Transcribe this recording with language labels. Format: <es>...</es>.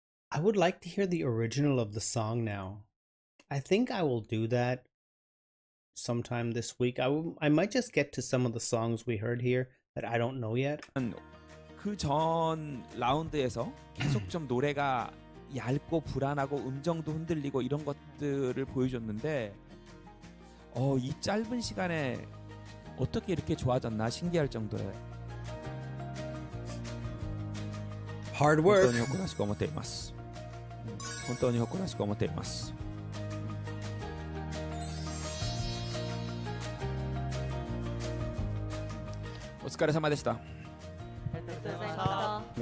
<en>I would like to hear the original of the song now. I think I will do that. Sometime this week, I might just get to some of the songs we heard here that I don't know yet.</en> <ko>그 전 라운드에서 계속 좀 노래가 얇고 불안하고 음정도 흔들리고 이런 것들을 보여줬는데, 어, 이 짧은 시간에 어떻게 이렇게 좋아졌나 신기할 정도예요.</ko> <en>Hard work.</en> <ja>本当に誇らしく思っています。本当に誇らしく思っています。お疲れ様でした。ありがとうございました。</ja>